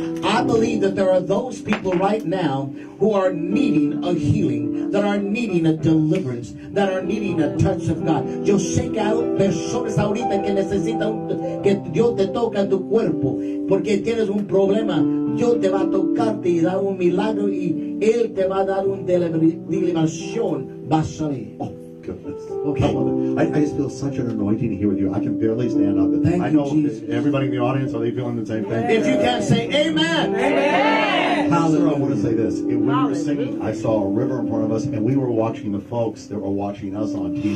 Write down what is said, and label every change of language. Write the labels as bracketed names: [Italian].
[English] I believe that there are those people right now who are needing a healing, that are needing a deliverance, that are needing a touch of God. [Spanish] Yo sé que hay personas ahorita que necesitan que Dios te toque tu cuerpo porque tienes un problema. Dios te va a tocarte y da un milagro y Él te va a dar un deliberación. Va a salir. [English] Okay. I just feel such an anointing here with you. I can barely stand up. Thank I know you, Jesus. Everybody in the audience, are they feeling the same thing? If you can't say amen. Pastor, I want to say this. When we were singing, I saw a river in front of us, and we were watching the folks that were watching us on TV.